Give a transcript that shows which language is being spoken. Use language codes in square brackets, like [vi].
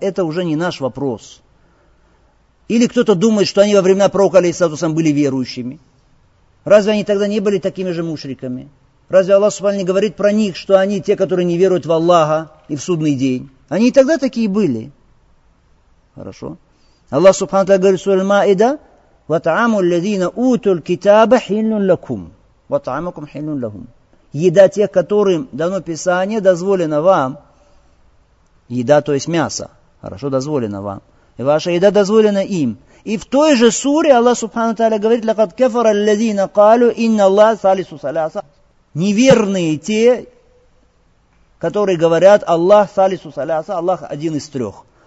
[ru] Это уже не наш вопрос. Или кто-то думает, что они во времена пророка, алейхиссалату вассалям, были верующими. Разве они тогда не были такими же мушриками? Разве Аллах субхана говорит про них, что они те, которые не веруют в Аллаха и в судный день? Они и тогда такие были. Хорошо. Аллах субхана тааля говорит в суре Аль-Маида, [ar] وَطَعَمُ الَّذِينَ أُوتُوا الْكِتَابَ حِلٌّ لَكُمْ وَطَعَمُكُمْ حِلٌّ لَهُمْ. [ru] Еда тех, которым дано Писание, дозволена вам. Еда, то есть мясо, хорошо, дозволена вам. И ваша еда дозволена им. И в той же суре Аллах Субхану Тааля говорит, [ar] لَقَدْ كَفَرَ الَّذِينَ قَالُوا إِنَّ اللَّهَ ثَالِثُ ثَلَاثَ. [ru] Неверные те, которые говорят, Аллах [ar] ثَالِثُ ثَلَاثَ, [ru] Аллах один из трех.